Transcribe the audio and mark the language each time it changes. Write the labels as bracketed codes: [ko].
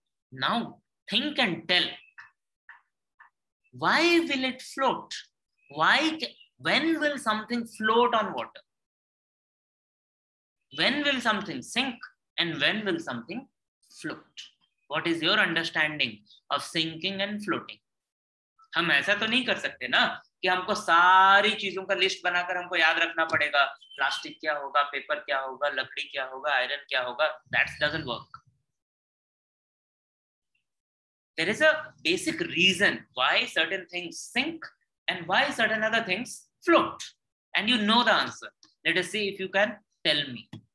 [en] Now think and tell, why will it float? When will something float on water? When will something sink and when will something float? What is your understanding of sinking and floating? [hi] हम ऐसा तो नहीं कर सकते ना कि हमको सारी चीजों का लिस्ट बनाकर हमको याद रखना पड़ेगा, प्लास्टिक क्या होगा, पेपर क्या होगा, लकड़ी क्या होगा, आयरन क्या होगा. [en] That doesn't work. There is a basic reason why certain things sink and why certain other things float. And you know the answer. Let us see if you can tell me.